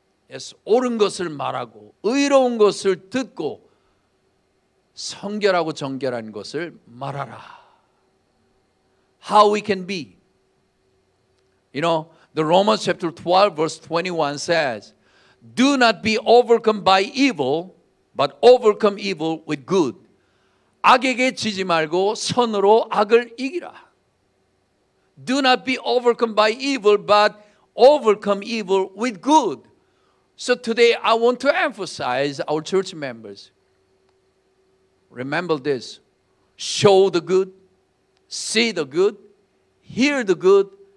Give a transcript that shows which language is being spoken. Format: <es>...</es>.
<ko>Yes, 옳은 것을 말하고 의로운 것을 듣고 성결하고 정결한 것을 말하라.</ko> <en>How we can be? You know, the Romans chapter 12 verse 21 says, do not be overcome by evil, but overcome evil with good.</en> <ko>악에게 지지 말고 선으로 악을 이기라.</ko> <en>Do not be overcome by evil, but overcome evil with good. So today I want to emphasize our church members. Remember this. Show the good. See the good. Hear the good.</en>